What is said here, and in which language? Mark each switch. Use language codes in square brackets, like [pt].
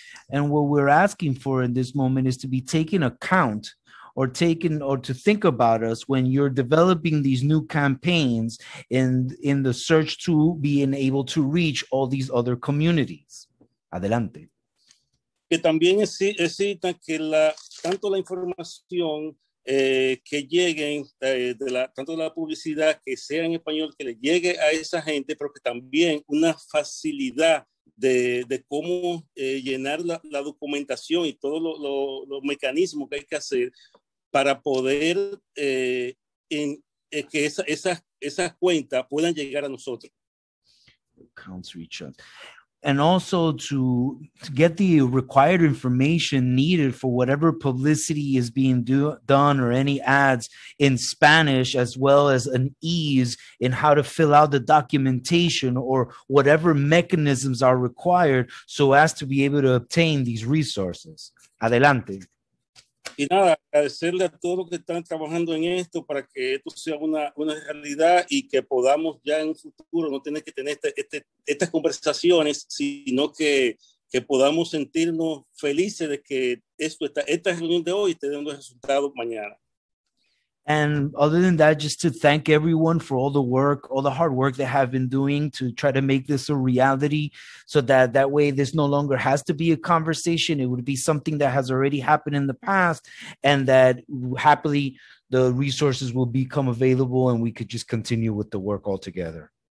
[en] And what we're asking for in this moment is to be taken account or to think about us when you're developing these new campaigns in the search to being able to reach all these other communities. [es] Adelante. Que también necesitan que tanto la información que lleguen, tanto la publicidad que sea en español, que le llegue a esa gente, pero que también una facilidad de cómo llenar la documentación y todos los mecanismos que hay que hacer para poder que esas cuentas puedan llegar a nosotros. [en] And also to get the required information needed for whatever publicity is being done or any ads in Spanish, as well as an ease in how to fill out the documentation or whatever mechanisms are required so as to be able to obtain these resources. [es] Adelante. Y nada, agradecerle a todos los que están trabajando en esto para que esto sea una realidad y que podamos ya en un futuro no tener que tener estas conversaciones, sino que podamos sentirnos felices de que esta reunión de hoy esté dando resultados mañana. [en] And other than that, just to thank everyone for all the work, all the hard work they have been doing to try to make this a reality, so that that way this no longer has to be a conversation. It would be something that has already happened in the past, and that happily the resources will become available and we could just continue with the work altogether.